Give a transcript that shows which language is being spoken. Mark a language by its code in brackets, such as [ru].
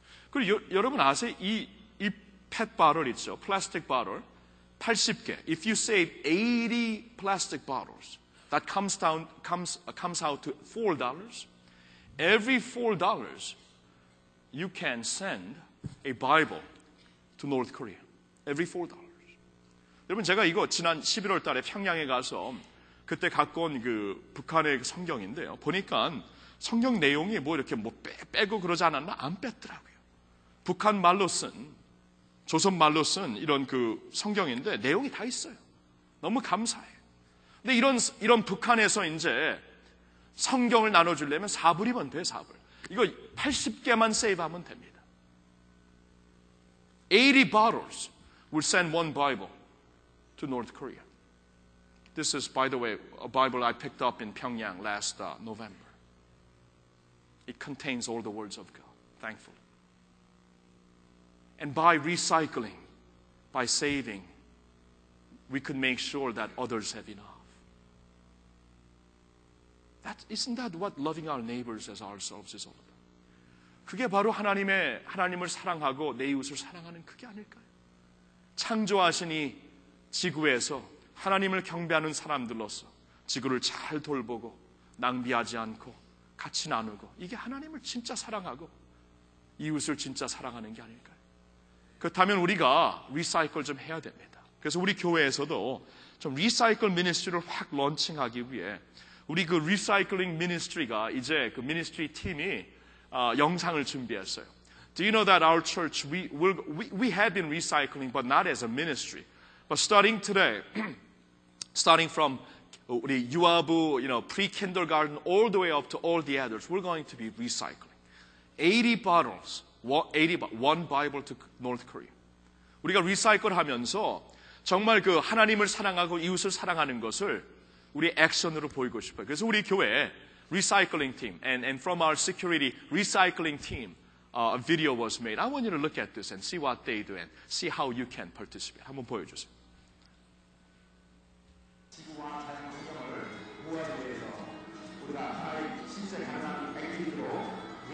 [ko] 그리고 여러분 아세요? 이 PET bottle 있죠? [en] Plastic bottle. [ko] 80개. [en] If you save 80 plastic bottles, that comes out to $4. Every $4, you can send a Bible to North Korea. Every $4. [ko] 여러분 제가 이거 지난 11월 달에 평양에 가서 그때 갖고 온 그 북한의 성경인데요. 보니까 성경 내용이 뭐 이렇게 뭐 빼고 그러지 않았나? 안 뺐더라고요. 북한 말로 쓴, 조선 말로 쓴 이런 그 성경인데 내용이 다 있어요. 너무 감사해요. 근데 이런 북한에서 이제 성경을 나눠주려면 4불이면 돼, 4불. 이거 80개만 세이브하면 됩니다. [en] 80 bottles will send one Bible to North Korea. This is, by the way, a Bible I picked up in Pyongyang last November. It contains all the words of God, thankfully. And by recycling, by saving, we could make sure that others have enough. Isn't that what loving our neighbors as ourselves is all about? [ko] 그게 바로 하나님을 사랑하고 내 이웃을 사랑하는 그게 아닐까요? 창조하신 이 지구에서 하나님을 경배하는 사람들로서 지구를 잘 돌보고 낭비하지 않고 같이 나누고 이게 하나님을 진짜 사랑하고 이웃을 진짜 사랑하는 게 아닐까요? 그렇다면 우리가 리사이클 좀 해야 됩니다. 그래서 우리 교회에서도 좀 리사이클 미니스트리를 확 런칭하기 위해 우리 그 리사이클링 미니스트리가 이제 그 미니스트리 팀이 영상을 준비했어요. [en] Do you know that our church, we have been recycling, but not as a ministry. But starting today, starting from [ko] 우리 유아부, [en] you know, pre-kindergarten, all the way up to all the adults, we're going to be recycling. 80 bottles, 1 Bible to North Korea. [ko] 우리가 recycle 하면서 정말 그 하나님을 사랑하고 이웃을 사랑하는 것을 우리 액션으로 보이고 싶어요. 그래서 우리 교회에 [en] recycling team, and from our security recycling team, a video was made. I want you to look at this and see what they do and see how you can participate. [ko] 한번 보여주세요. 지구와 자연 환경을 보호하기 위해서 우리가 아이 신세 가장 액티브로